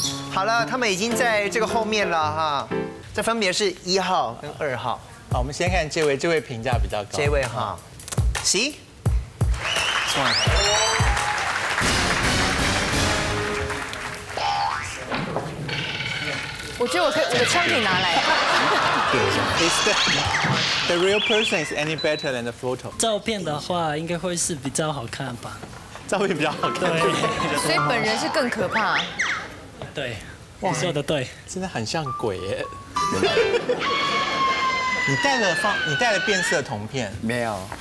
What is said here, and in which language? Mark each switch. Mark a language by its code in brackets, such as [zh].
[zh] 好了，他们已经在这个后面了哈，这分别是一号跟二号。好，我们先看这位评价比较高。这位哈，行。我觉得我的枪可以拿来。 [en] Is the real person is any better than the photo？ [zh] 照片的话，应该会是比较好看吧。照片比较好看。对。所以本人是更可怕。对。哇，你说的对。真的很像鬼耶。你戴了变色瞳片？没有。